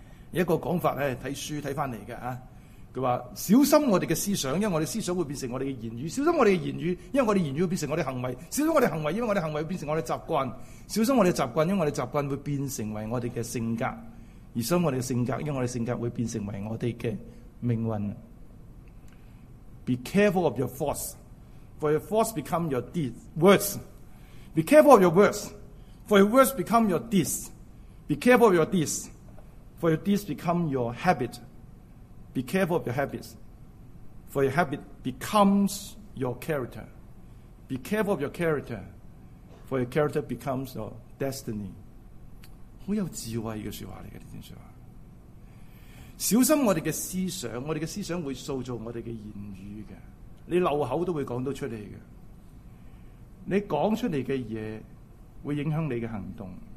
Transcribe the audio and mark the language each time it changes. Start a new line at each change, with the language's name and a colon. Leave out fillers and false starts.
Chinese: 一个讲法是看书看回来的，他说小心我们的思想，因为我们的思想会变成我们的言语，小心我们的言语，因为我们的言语会变成我们的行为，小心我们的行为，因为我们的行为会变成我们的习惯，小心我们的习惯，因为我们的习惯会变成为我们的性格，而小心我们的性格，因为我们的性格会变成为我们的命运。
English: Be careful of your thoughts, for your thoughts become your deeds. Words. Be careful of your words, for your words become your deeds. Be careful of your deeds, for your deeds become your habit. Be careful of your habits, for your habit becomes your character. Be careful of your character, for your character becomes your destiny.
Chinese: 很有智慧的说话来的，这段说话。小心我们的思想，我们的思想会塑造我们的言语的。你漏口都会讲到出来的。你讲出来的东西会影响你的行动。